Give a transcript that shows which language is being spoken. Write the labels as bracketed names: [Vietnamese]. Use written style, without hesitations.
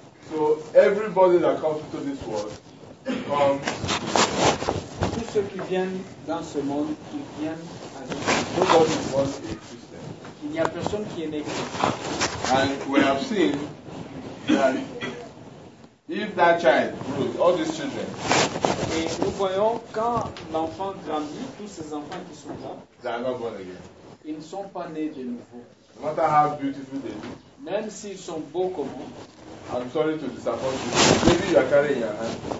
[English] So everybody that comes to this world comes. [French] Tous ceux qui viennent dans ce monde, ils viennent avec. [English] Nobody wants it. [French] Il n'y a personne qui est né. [English] And we have seen that if that child grows, all these children. [French] Et nous voyons quand l'enfant grandit, tous ces enfants qui sont là. [English] They are not born again. [French] Ils ne sont pas nés de nouveau. [English] No matter how beautiful they look. [French] Même s'ils sont beaux comme vous. [English] I'm sorry to disappoint you. Maybe you are carrying your hand.